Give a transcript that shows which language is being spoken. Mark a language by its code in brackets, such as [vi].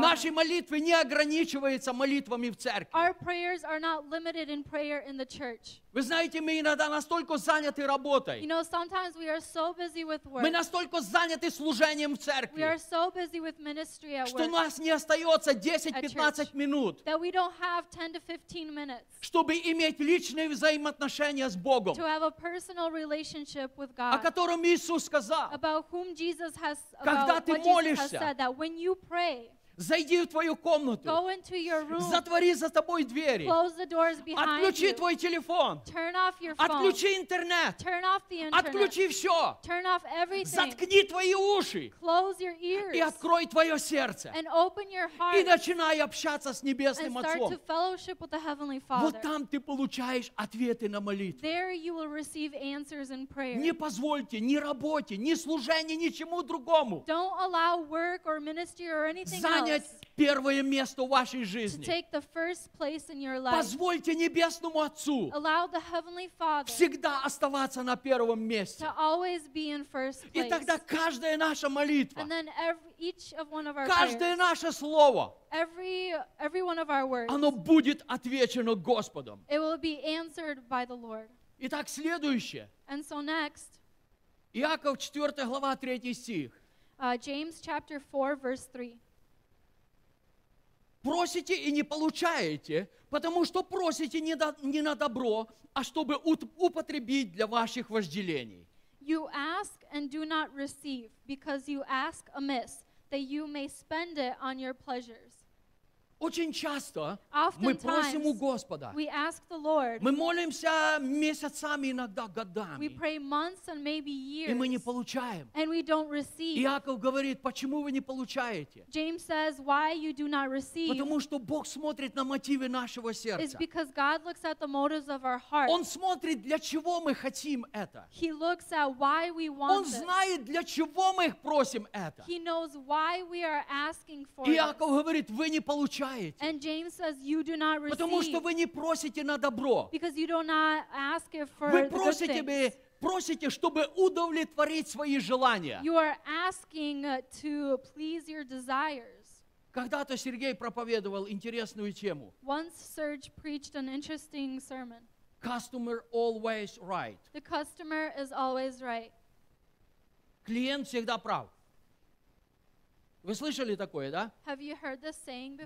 [ru] Наши молитвы не ограничиваются молитвами в церкви. [en] Our prayers are not limited in prayer in the church. [ru] Вы знаете, мы иногда настолько заняты работой. [en] You know, sometimes we are so busy with work. [ru] Мы настолько заняты служением в церкви. [en] We are so busy with ministry at work. [ru] Что у нас не остается 10-15 минут. [en] That we don't have 10 to 15 minutes. [ru] Чтобы иметь личные взаимоотношения с Богом. [en] To have a personal relationship with God. [ru] О котором Иисус сказал. [en] About whom Jesus has, [ru] когда [en] about [ru] ты [en] what [ru] молишься. [en] Jesus has said that when you pray. [ru] Зайди в твою комнату. [en] Go into your room. [ru] Затвори за тобой двери. [en] Close the doors behind [ru] Отключи [en] you. [ru] Твой телефон. [en] Turn off your phone. [ru] Отключи интернет. [en] Turn off the internet. [ru] Отключи все. [en] Turn off everything. [ru] Заткни твои уши. [en] Close your ears. [ru] И открой твое сердце. [en] And open your heart. [ru] И начинай общаться с Небесным [en] and start [ru] Отцом. [en] To fellowship with the Heavenly Father. [ru] Вот там ты получаешь ответы на молитву. [en] There you will receive answers in prayer. [ru] Не позвольте ни работе, ни служению, ничему другому. [en] Don't allow work or ministry or anything else. [ru] Первое место в вашей жизни. [en] To take the first place in your life. [ru] Позвольте Небесному Отцу [en] allow the Heavenly Father [ru] всегда оставаться на первом месте. [en] To always be in first place. [ru] И тогда каждая наша молитва, [en] and then each of one of our [ru] каждое [en] prayers, [ru] наше слово, [en] every one of our words, [ru] оно будет отвечено Господом. [en] It will be answered by the Lord. [ru] Итак, следующее. [en] And so next, [ru] Иаков 4 глава 3 стих. [en] James chapter 4 verse 3. [ru] Просите и не получаете, потому что просите не на добро, а чтобы употребить для ваших вожделений. [en] You ask and do not receive, because you ask amiss, that you may spend it on your pleasures. [ru] Очень часто мы просим у Господа. [en] We ask the Lord, [ru] мы молимся месяцами, иногда годами. [en] We pray months and maybe years, [ru] и мы не получаем. [en] And we don't receive. [ru] Иаков говорит, почему вы не получаете? [en] James says, why you do not receive? [ru] Потому что Бог смотрит на мотивы нашего сердца. [en] It's because God looks at the motives of our heart. [ru] Он смотрит, для чего мы хотим это. [en] He looks at why we want [ru] Он знает, для чего мы просим это. [en] He knows why we are asking for it. [ru] Иаков говорит, вы не получаете. [en] And James says, you do not receive. [ru] Потому что вы не просите на добро. [en] Because you do not ask it for [ru] вы просите, [en] the good things. [ru] Просите, чтобы удовлетворить свои желания. [en] You are asking to please your desires. [ru] Когда-то Сергей проповедовал интересную тему. [en] Once Serge preached an interesting sermon. Customer always right. The customer is always right. [ru] Клиент всегда прав. Вы слышали такое, да? [en] Have you heard this saying before?